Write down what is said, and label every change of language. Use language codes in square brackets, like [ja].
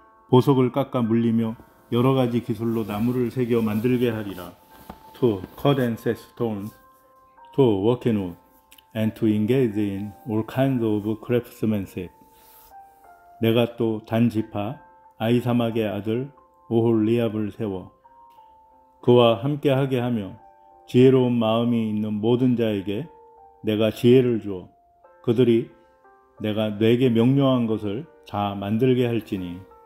[ko] 보석을 깎아 물리며 여러 가지 기술로 나무를 새겨 만들게 하리라. [en] To cut and set stones, to work in wood, and to engage in all kinds of craftsmanship. [ko] 내가 또 단지파, 아이사막의 아들 오홀리압을 세워 그와 함께 하게 하며 지혜로운 마음이 있는 모든 자에게 내가 지혜를 주어 그들이 내가 네게 명령한 것을 다 만들게 할지니.